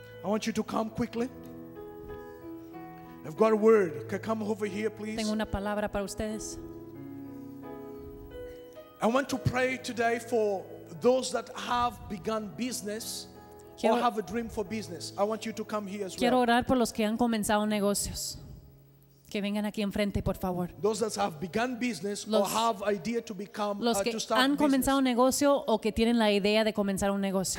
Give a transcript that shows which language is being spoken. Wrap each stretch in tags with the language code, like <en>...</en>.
<en>I want you to come quickly. I've got a word. Can come over here, please.</en> <es>Tengo una palabra para ustedes.</es> <en>I want to pray today for those that have begun business or have a dream for business. I want you to come here as well.</en> <es>Quiero orar por los que han comenzado negocios. Que vengan aquí enfrente, por favor.</es> <en>Those that have begun business or have idea to become</en> <es>los que</es> <en>to start</en> <es>han comenzado un negocio o que tienen la idea de comenzar un negocio.</es>